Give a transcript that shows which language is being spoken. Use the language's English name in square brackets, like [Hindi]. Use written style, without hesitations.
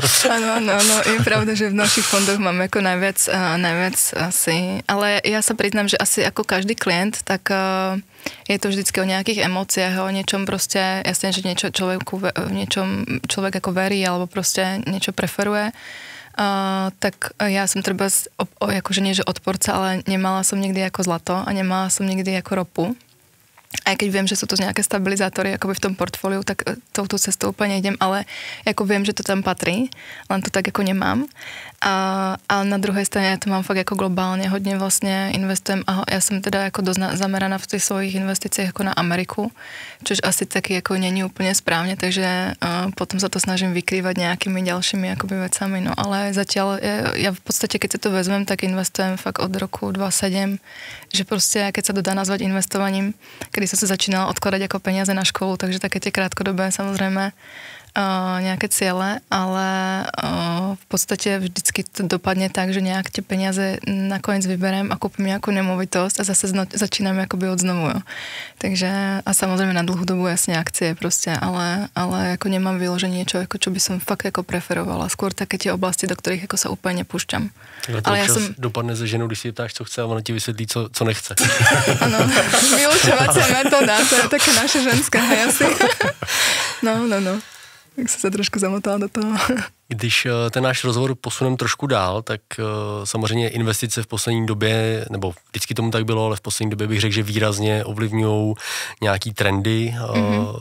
[Czech] Ano, je pravda, že v našich fondoch máme jako najviac asi, ale já se přiznám, že asi jako každý klient, tak je to vždycky o nějakých emociách, o něčom prostě, jasně, že něčo člověku, v něčom člověk jako verí, alebo prostě něčo preferuje. Tak já jsem třeba jakože nie, že odporce, ale nemala jsem nikdy jako zlato a nemala jsem nikdy jako ropu. [Slovak] A keď viem, že sú to nejaké stabilizátory akoby v tom portfóliu, tak touto cestou úplne idem, ale ako viem, že to tam patrí, len to tak ako nemám. Ale na druhej strane ja to mám fakt ako globálne, hodne vlastne investujem a ja som teda ako dosť zameraná v tých svojich investíciách ako na Ameriku, čož asi taký ako není úplne správne, takže potom sa to snažím vykrývať nejakými ďalšími akoby vecami, no ale zatiaľ ja v podstate, keď sa to vezmem, tak investujem fakt od roku 2007, že proste keď sa to dá nazvať investovaním, kedy som sa začínala odkladať ako peniaze na školu, takže také tie krátkodobé samozrejme nejaké ciele, ale v podstate vždycky to dopadne tak, že nejak tie peniaze nakoniec vyberiem a kúpim nejakú nemovitosť a zase začínam akoby od znovu. Jo. Takže a samozrejme na dlhú dobu jasne akcie proste, ale ako nemám vyložené niečo, ako čo by som fakt ako preferovala. Skôr také tie oblasti, do ktorých ako sa úplne nepúšťam. Ale ja som... [Czech] Dopadne ze ženou, když si ptáš, co chce a ona ti vysvetlí, co nechce. [Slovak] Ano, vylúčovacia metóda, to je také naše ženská, asi. No. [Czech] Tak jsem se trošku zamotala do toho. Když ten náš rozhovor posunem trošku dál, tak samozřejmě investice v poslední době, nebo vždycky tomu tak bylo, ale v poslední době bych řekl, že výrazně ovlivňují nějaký trendy. Mm-hmm.